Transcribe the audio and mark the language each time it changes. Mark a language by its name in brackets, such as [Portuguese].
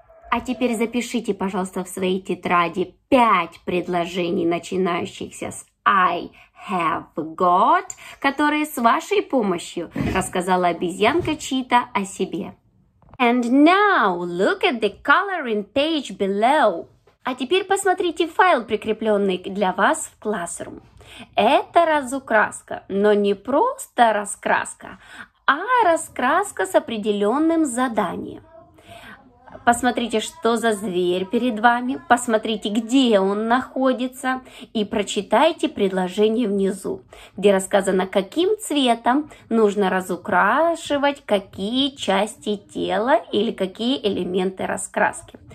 [Russian] А теперь запишите, пожалуйста, в своей тетради 5 предложений, начинающихся с [English] I have got, [Russian] которые с вашей помощью рассказала обезьянка Чита о себе. [English] And now look at the coloring page below. [Russian] А теперь посмотрите файл, прикрепленный для вас в Classroom. Это разукраска, но не просто раскраска, а раскраска с определенным заданием. Посмотрите, что за зверь перед вами, посмотрите, где он находится, и прочитайте предложение внизу, где рассказано, каким цветом нужно разукрашивать какие части тела или какие элементы раскраски.